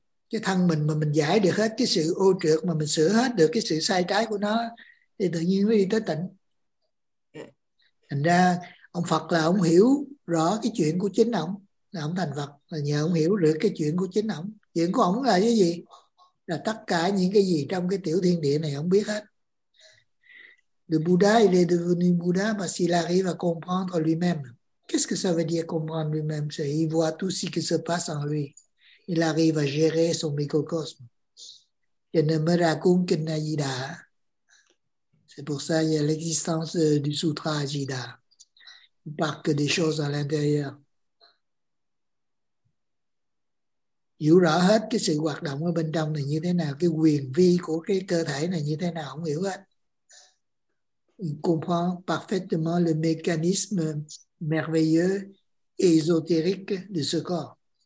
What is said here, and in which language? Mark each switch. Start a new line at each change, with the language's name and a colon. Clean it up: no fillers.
Vietnamese: Cái thân mình mà mình giải được hết cái sự ô trược, mà mình sửa hết được cái sự sai trái của nó, thì tự nhiên mới đi tới tỉnh. Thành ra ông Phật là ông hiểu rõ cái chuyện của chính ông, là ông thành Phật là nhờ ông hiểu được cái chuyện của chính ông. Chuyện của ông là cái gì? Là tất cả những cái gì trong cái tiểu thiên địa này ông biết hết.
French: Le Bouddha, il est devenu Bouddha parce qu'il arrive à comprendre lui-même. Qu'est-ce que ça veut dire comprendre lui-même? C'est il voit tout ce qui se passe en lui. Il arrive à gérer son microcosme. Je ne me raconte que Najida. C'est pour ça qu'il y a l'existence du sutra Ajida. Il ne parle que des choses à l'intérieur.
Vietnamese: Hiểu rõ hết cái sự hoạt động ở bên trong này như thế nào, cái quyền vi của cái cơ thể này như thế nào, không hiểu hết.
French: Il comprend parfaitement le mécanisme merveilleux et ésotérique de ce corps.